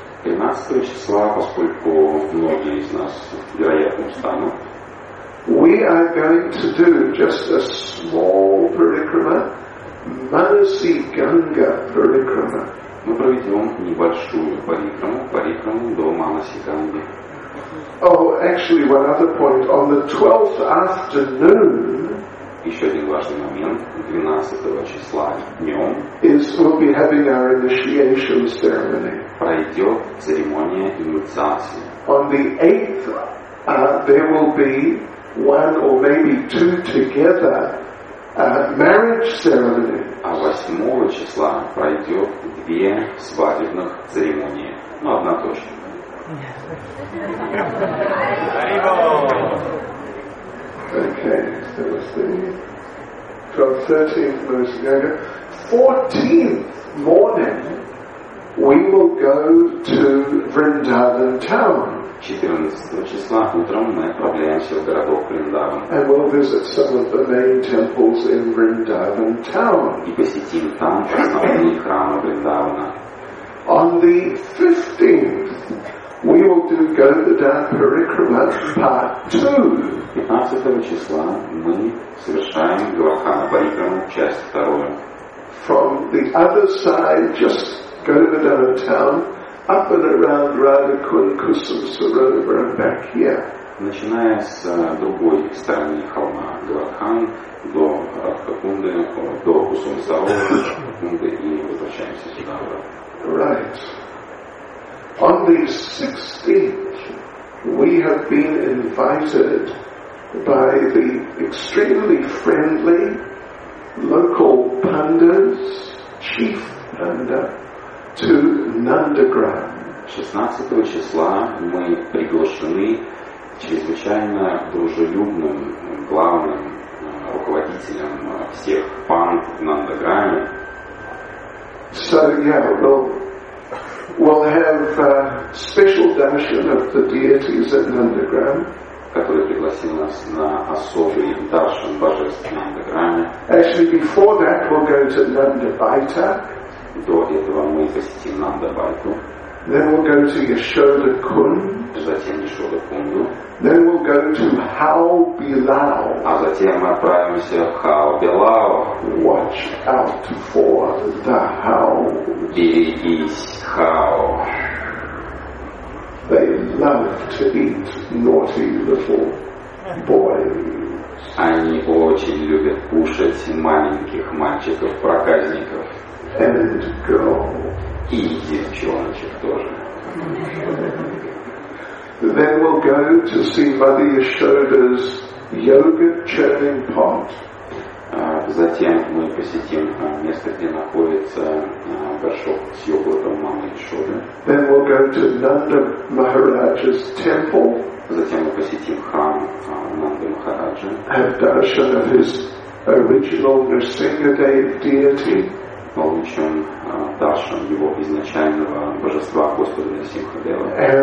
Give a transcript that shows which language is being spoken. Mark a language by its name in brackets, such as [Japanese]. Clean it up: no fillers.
[Russian] 13 числа, поскольку многие из нас, вероятно, встанут. [English] We are going to do just a small parikrama, Manasi Ganga parikrama. [Russian] Мы проведем небольшую парикраму, парикраму до Манаси Ганги. [English] Oh, actually, one other point. On the 12th afternoon, [Russian] еще один важный момент, 12 числа днем, [English] is we'll be having our initiation ceremony. [Russian] Пройдет церемония инициации. [English] On the 8th, there will be one or maybe two together marriage ceremony. [Russian] А 8 числа пройдет две свадебных церемонии. Ну, одна точно. [English] Okay, so it's the 12th, 13th most younger. 14th morning we will go to Vrindavan town. [Russian] 14 числа утром мы отправляемся в городок Вриндаван. [English] And we'll visit some of the main temples in Vrindavan town. [Russian] И посетим там основные храмы Вриндавана. [English] On the 15th we will do Govardhan Parikrama part 2. [Russian] 15 числа мы совершаем Говардхан Парикраму часть 2. [English] From the other side, just Govardhan town, up and around Radhakund, Kusum, Sarovar, and back here. [Russian] Начиная с другой стороны холма Говардхан до Радхакунды, до Кусум Сарова, Радхакунды, и возвращаемся сюда. [English] Right. On the 16th, we have been invited by the extremely friendly local pandas, chief panda, to Nandagram. [Russian] 16 числа мы приглашены чрезвычайно дружелюбным главным руководителем всех панд в Нандаграме. [English] So, yeah, we'll have a special darshan of the deities at Nandagram. [Russian] Который пригласил нас на особый даршан божеств на Нандаграме. [English] Actually, before that, we'll go to Нандабайтак. [Russian] До этого мы посетим Нандабайту. [English] Then we'll go to Яшодакунд. [Russian] Затем Яшодакунду. [English] Then we'll go to Хау-Билау. [Russian] А затем мы отправимся в Хау-Билау. [English] Watch out for the Хаус. [Russian] Берегись, Хау. [English] They love to eat naughty little boys. [Russian] Они очень любят кушать маленьких мальчиков-проказников. [English] And girls. [Russian] И девчоночек тоже. [English] Then we'll go to see Mother Yashoda's yogurt churning pot. [Russian] Затем мы посетим место, где находится горшок с йогуртом Мамы Яшоды. [English] Then we'll go to Nanda Maharaja's temple. [Russian] Затем мы посетим храм Нанды Махараджи. [English] Have darshan of his original Nrsingadev deity. [Russian] Получим даршан его изначального божества Господа Нрсингхадева.